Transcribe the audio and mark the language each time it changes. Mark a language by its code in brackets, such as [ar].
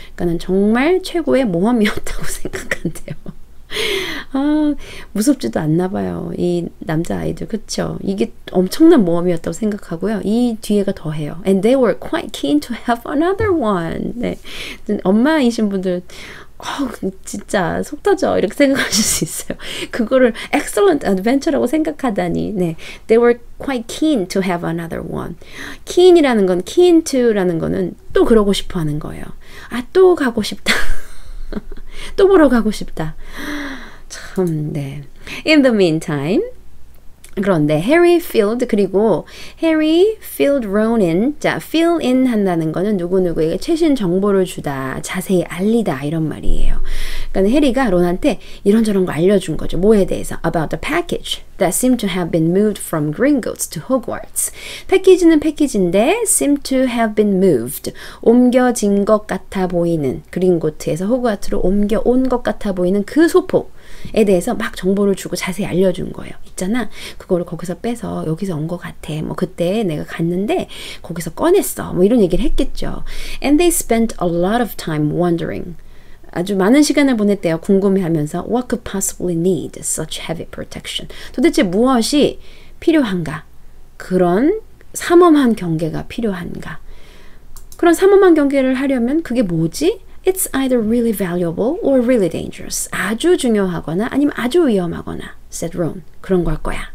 [ko] 그러니까는 정말 최고의 모험이었다고 생각한대요. 아, 무섭지도 않나 봐요. 이 남자아이들, 그쵸? 이게 엄청난 모험이었다고 생각하고요. 이 뒤에가 더해요. [en] And they were quite keen to have another one. [ko] 네. 엄마이신 분들, 진짜 속 터져. 이렇게 생각하실 수 있어요. 그거를 [en] excellent adventure [ko] 라고 생각하다니. 네. [en] They were quite keen to have another one. [ko] Keen이라는 건, keen to라는 거는 또 그러고 싶어 하는 거예요. 아, 또 가고 싶다. 또 보러 가고 싶다. 참, 네. [en] In the meantime, [ko] 그런데 [en] Harry filled, [ko] 그리고 [en] Harry filled Ron in, [ko] 자, fill in 한다는 거는 누구누구에게 최신 정보를 주다, 자세히 알리다 이런 말이에요. 그러니까 해리가 론한테 이런저런 거 알려준 거죠. 뭐에 대해서? [en] About the package that seemed to have been moved from Gringotts to Hogwarts. [ko] 패키지는 패키지인데 [en] seemed to have been moved. [ko] 옮겨진 것 같아 보이는 그린고트에서 호그와트로 옮겨온 것 같아 보이는 그 소포. 에 대해서 막 정보를 주고 자세히 알려준 거예요. 있잖아, 그거를 거기서 빼서 여기서 온 것 같아. 뭐 그때 내가 갔는데 거기서 꺼냈어. 뭐 이런 얘기를 했겠죠. [en] And they spent a lot of time wondering. [ko] 아주 많은 시간을 보냈대요. 궁금해하면서 [en] What could possibly need such heavy protection? [ko] 도대체 무엇이 필요한가? 그런 삼엄한 경계가 필요한가? 그런 삼엄한 경계를 하려면 그게 뭐지? [en] It's either really valuable or really dangerous. [ko] 아주 중요하거나 아니면 아주 위험하거나, [en] said Ron. [ko] 그런 걸 거야.